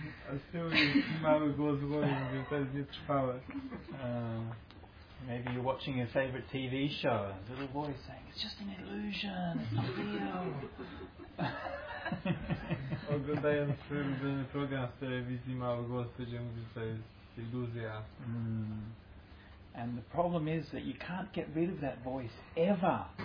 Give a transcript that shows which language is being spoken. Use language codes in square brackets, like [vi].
[pl] A z tyłu jest mały głos w głowie, mówię, to jest nietrwałe. [en] Maybe you're watching your favorite TV show. A little voice saying, it's just an illusion, it's not real. [pl] Oglądając ulubiony program w telewizji, mały głos będzie mówił, to jest iluzja. [en] And the problem is that you can't get rid of that voice ever.